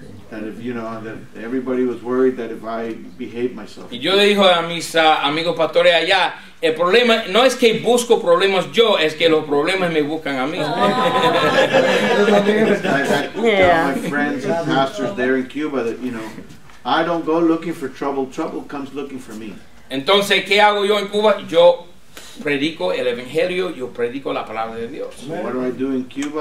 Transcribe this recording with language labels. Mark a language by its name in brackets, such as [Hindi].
[English] That if, you know, that everybody was worried that if I behaved myself. [Spanish] Y yo le dijo a mis amigos pastores allá, el problema no es que busco problemas yo, es que los problemas me buscan a mí. [English] My friends and pastors there in Cuba that, you know, I don't go looking for trouble. Trouble comes looking for me. [Spanish] Entonces, ¿qué hago yo en Cuba? Yo predico el evangelio, yo predico la palabra de Dios. [English] So what do I do in Cuba?